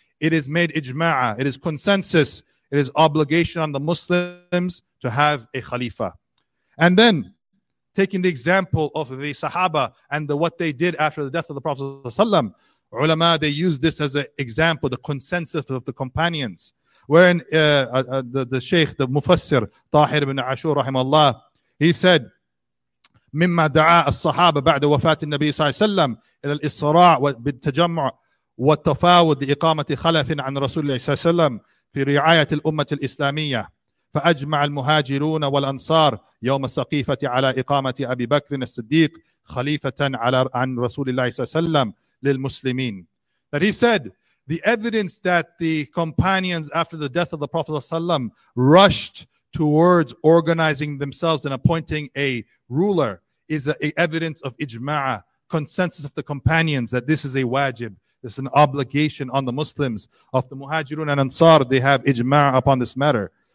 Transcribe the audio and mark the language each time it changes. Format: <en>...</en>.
<en>It is made ijma'ah, it is consensus, it is obligation on the Muslims to have a khalifa. And then, taking the example of the Sahaba and the, what they did after the death of the Prophet ﷺ, ulama, they use this as an example, the consensus of the companions. Wherein the Shaykh, the Mufassir, Tahir ibn Ashur, rahimahullah, he said,</en> <ar>مِمَّا دَعَى الصَّحَابَ بَعْدَ وَفَاةِ النَّبِيِّ صَلَّى اللَّهُ عَلَيْهِ وَسَلَّمَ إِلَى الْإِصْرَاعِ وَالتَّجَمُّعِ وَالتَّفَاوُضِ لِإِقَامَةِ خَلَفٍ عَنْ رَسُولِ اللَّهِ صَلَّى اللَّهُ عَلَيْهِ وَسَلَّمَ في رعاية الأمة الإسلامية فأجمع المهاجرون والأنصار يوم السقيفة على إقامة أبي بكر الصديق خليفة على عن رسول الله صلى الله عليه وسلم للمسلمين.</ar> <en>That he said, the evidence that the companions after the death of the Prophet ﷺ rushed towards organizing themselves and appointing a ruler is a evidence of ijma'ah, consensus of the companions that this is a wajib. It's an obligation on the Muslims. Of the Muhajirun and Ansar, they have ijma' upon this matter.</en>